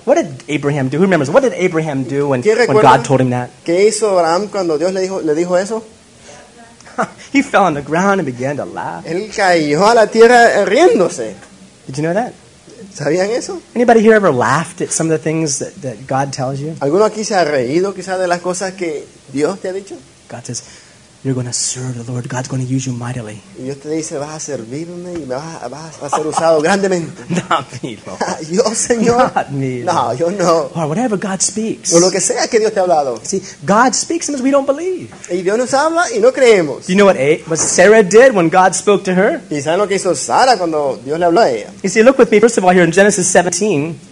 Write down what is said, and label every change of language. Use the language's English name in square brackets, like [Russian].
[English] What did Abraham do? Who remembers? What did Abraham do when God told him that? [Spanish] ¿Qué hizo Abraham cuando Dios le dijo eso? [English] He fell on the ground and began to laugh. [Spanish] Él cayó a la tierra riéndose. [English] Did you know that? [Spanish] ¿Sabían eso? [English] Anybody here ever laughed at some of the things that God tells you? [Spanish] ¿Alguno aquí se ha reído quizás de las cosas que Dios te ha dicho? [English] God says, you're going to serve the Lord. God's going to use you mightily. [Spanish] Y Dios te dice, vas a servirme y me vas a ser usado grandemente. [English] Not me, Lord. [Spanish] Yo, Señor. [English] Not me. [Spanish] No, yo no. [English] Or whatever God speaks. [Spanish] O lo que sea que Dios te ha hablado. [English] See, God speaks and we don't believe. [Spanish] Y Dios nos habla y no creemos. [English] Do you know what Sarah did when God spoke to her? [Spanish] ¿Y saben lo que hizo Sara cuando Dios le habló a ella? [English] You see, look with me, first of all, here in Genesis 17.